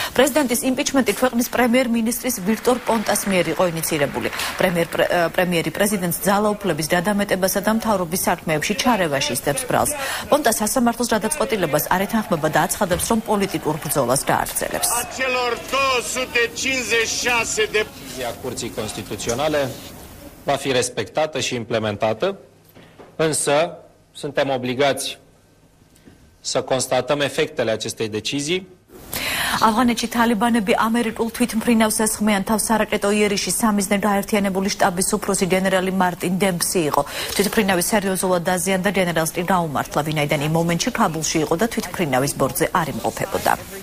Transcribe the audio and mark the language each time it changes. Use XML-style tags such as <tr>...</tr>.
<ka>პრეზიდენტის იმპიჩმენტი ქვეყნის პრემიერ-მინისტრის ვირტორ პონტას მიერ იყო ინიცირებული. პრემიერი პრეზიდენტს ძალაუფლების დადამეტებასა და მთავრობის საქმეებში ჩარევაში სდებს ბრალს. პონტა სასამართლოს გადაწყვეტილებას არ ეთანხმება და აცხადებს, რომ პოლიტიკურ ბრძოლას გააგრძელებს.</ka> <ro>Decizia Curții Constituționale va fi respectată și implementată, însă suntem obligați să constatăm efectele acestei decizii.</ro> <ka>ავღანეთში თალიბანები ამერიკულ თვითმფრინავს ესხმიან თავს სარაკეტო იერიში. სამიზნე გაერთიანებული შტაბის უფროსი გენერალი მარტინ დემპსი იყო. თვითმფრინავი სერიოზულად დაზიანდა, გენერალს კი გაუმართლა, ვინაიდან იმ მომენტში ქაბულში იყო და თვითმფრინავის ბორტზე არ იმყოფებოდა.</ka>